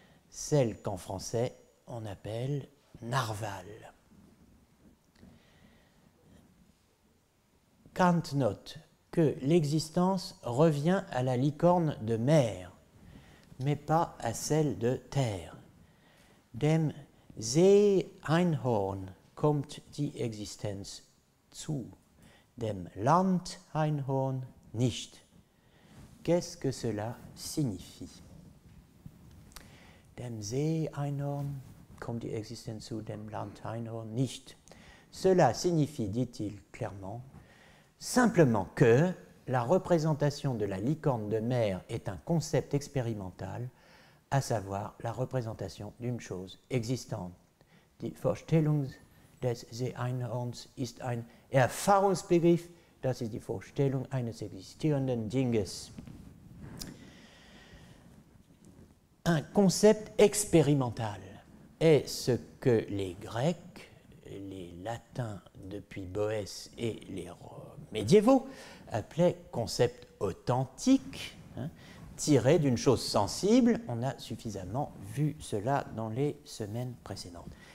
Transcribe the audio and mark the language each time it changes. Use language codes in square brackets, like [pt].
[fr] Celle qu'en français, on appelle narval. Kant note que l'existence revient à la licorne de mer, mais pas à celle de terre. [de] Dem See-Einhorn kommt die Existenz zu, dem Land-Einhorn nicht. [fr] Qu'est-ce que cela signifie? [de] Dem See-Einhorn kommt die Existenz zu, dem Land-Einhorn nicht. [fr] Cela signifie, dit-il clairement, simplement que la représentation de la licorne de mer est un concept expérimental, à savoir la représentation d'une chose existante. [de] Die Vorstellung des See-Einhorns ist ein Erfahrungsbegriff, das ist die Vorstellung eines existierenden Dinges. [fr] Un concept expérimental est ce que les Grecs, les Latins depuis Boès et les médiévaux appelaient concept authentique, tiré d'une chose sensible, on a suffisamment vu cela dans les semaines précédentes.